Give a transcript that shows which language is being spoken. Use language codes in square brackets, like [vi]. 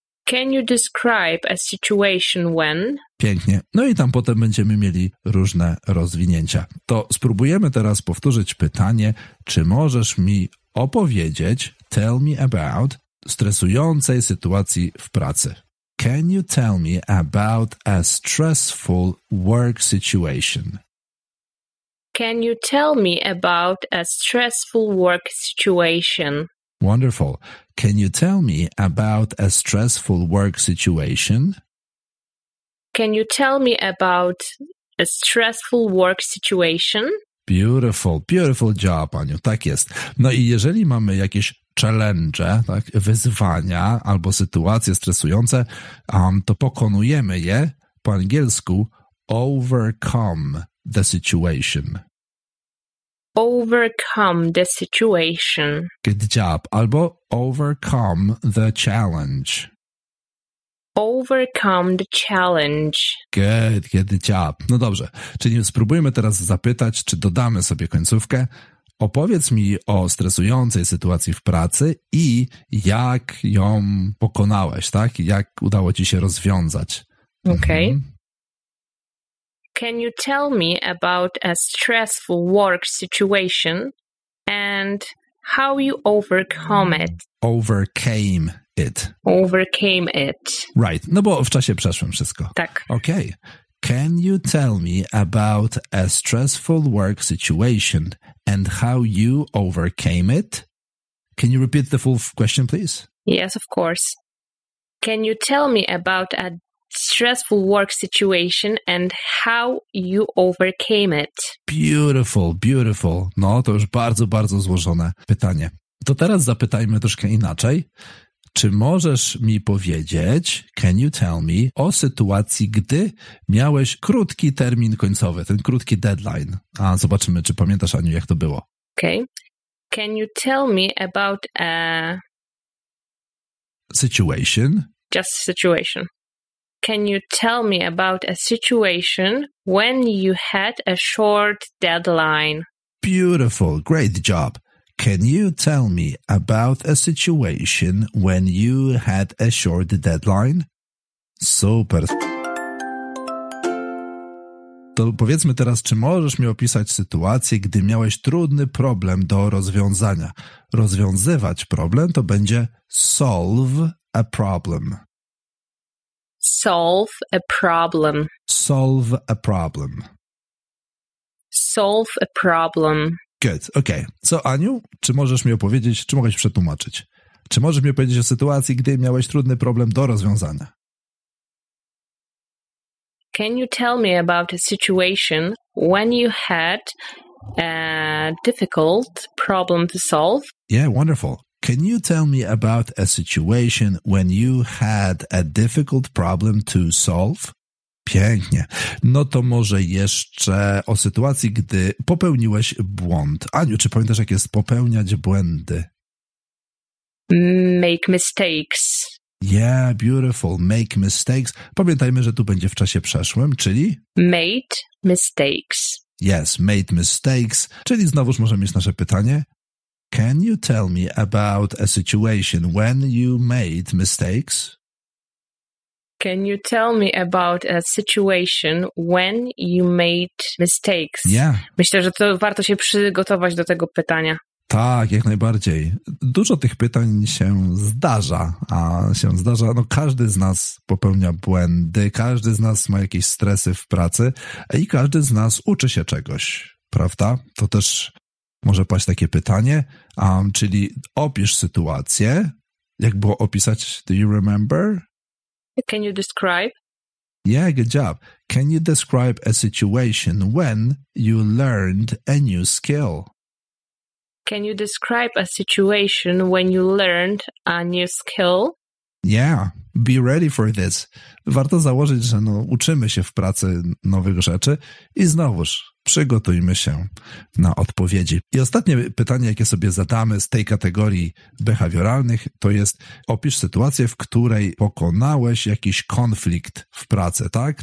[en] Can you describe a situation when? [pl] Pięknie. No i tam potem będziemy mieli różne rozwinięcia. To spróbujemy teraz powtórzyć pytanie, czy możesz mi opowiedzieć, [en] tell me about, [pl] stresującej sytuacji w pracy. [en] Can you tell me about a stressful work situation? Can you tell me about a stressful work situation? Wonderful. Can you tell me about a stressful work situation? Can you tell me about a stressful work situation? Beautiful, beautiful job, Aniu. [pl] Tak jest. No i jeżeli mamy jakieś challenge, tak, wyzwania albo sytuacje stresujące, to pokonujemy je po angielsku [en] overcome the situation. Overcome the situation. Good job. [pl] Albo [en] overcome the challenge. Overcome the challenge. Good, good job. [pl] No dobrze. Czyli spróbujmy teraz zapytać, czy dodamy sobie końcówkę. Opowiedz mi o stresującej sytuacji w pracy i jak ją pokonałeś, tak? Jak udało ci się rozwiązać. [en] Okay. Can you tell me about a stressful work situation and how you overcome it? Overcame it. Overcame it. Right. [pl] No bo w czasie przeszłym wszystko. Tak. [en] Okay. Can you tell me about a stressful work situation and how you overcame it? Can you repeat the full question, please? Yes, of course. Can you tell me about a stressful work situation and how you overcame it? Beautiful, beautiful. [pl] No, to już bardzo, bardzo złożone pytanie. To teraz zapytajmy troszkę inaczej. Czy możesz mi powiedzieć, [en] can you tell me, [pl] o sytuacji, gdy miałeś krótki termin końcowy, ten krótki deadline? A zobaczymy, czy pamiętasz, Aniu, jak to było. [en] Okay. Can you tell me about a... situation? Just situation. Can you tell me about a situation when you had a short deadline? Beautiful. Great job. Can you tell me about a situation when you had a short deadline? Super. [pl] To powiedzmy teraz, czy możesz mi opisać sytuację, gdy miałeś trudny problem do rozwiązania? Rozwiązywać problem to będzie [en] solve a problem. Solve a problem. Solve a problem. Solve a problem. Good, okay. [pl] So, Aniu, czy możesz mi opowiedzieć, czy mogłeś przetłumaczyć? Czy możesz mi opowiedzieć o sytuacji, gdy miałeś trudny problem do rozwiązania? [en] Can you tell me about a situation when you had a difficult problem to solve? Yeah, wonderful. Can you tell me about a situation when you had a difficult problem to solve? [pl] Pięknie. No to może jeszcze o sytuacji, gdy popełniłeś błąd. Aniu, czy pamiętasz, jak jest popełniać błędy? [en] Make mistakes. Yeah, beautiful. Make mistakes. [pl] Pamiętajmy, że tu będzie w czasie przeszłym, czyli... [en] Made mistakes. Yes, made mistakes. [pl] Czyli znowuż możemy mieć nasze pytanie. [en] Can you tell me about a situation when you made mistakes? Can you tell me about a situation when you made mistakes? Yeah. [pl] Myślę, że to warto się przygotować do tego pytania. Tak, jak najbardziej. Dużo tych pytań się zdarza, No każdy z nas popełnia błędy, każdy z nas ma jakieś stresy w pracy i każdy z nas uczy się czegoś, prawda? To też może paść takie pytanie, czyli opisz sytuację, jak było opisać, [en] do you remember? Can you describe? Yeah, good job. Can you describe a situation when you learned a new skill? Can you describe a situation when you learned a new skill? Yeah, be ready for this. [pl] Warto założyć, że no, uczymy się w pracy nowych rzeczy i znowuż przygotujmy się na odpowiedzi. I ostatnie pytanie, jakie sobie zadamy z tej kategorii behawioralnych, to jest opisz sytuację, w której pokonałeś jakiś konflikt w pracy, tak?